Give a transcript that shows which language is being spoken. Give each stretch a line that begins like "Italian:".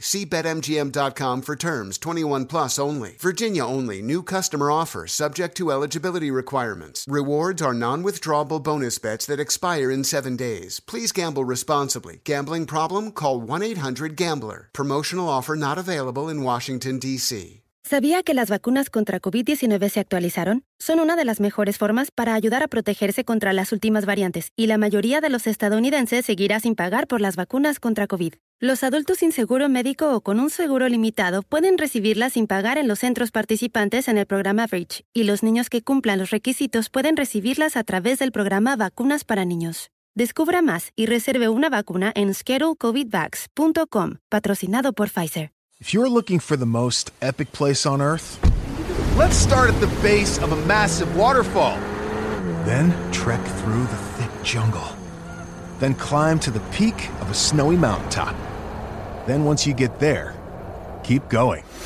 English: See BetMGM.com for terms. 21 plus only. Virginia only. New customer offer subject to eligibility requirements. Rewards are non-withdrawable bonus bets that expire in 7 days. Please gamble responsibly. Gambling problem? Call 1-800-GAMBLER. Promotional offer not available in Washington, D.C.
Spanish: ¿Sabía que las vacunas contra COVID-19 se actualizaron? Son una de las mejores formas para ayudar a protegerse contra las últimas variantes, y la mayoría de los estadounidenses seguirá sin pagar por las vacunas contra COVID. Los adultos sin seguro médico o con un seguro limitado pueden recibirlas sin pagar en los centros participantes en el programa Bridge, y los niños que cumplan los requisitos pueden recibirlas a través del programa Vacunas para Niños. Descubra más y reserve una vacuna en ScheduleCOVIDVax.com, patrocinado por Pfizer.
English: If you're looking for the most epic place on Earth, let's start at the base of a massive waterfall. Then trek through the thick jungle. Then climb to the peak of a snowy mountaintop. Then once you get there, keep going.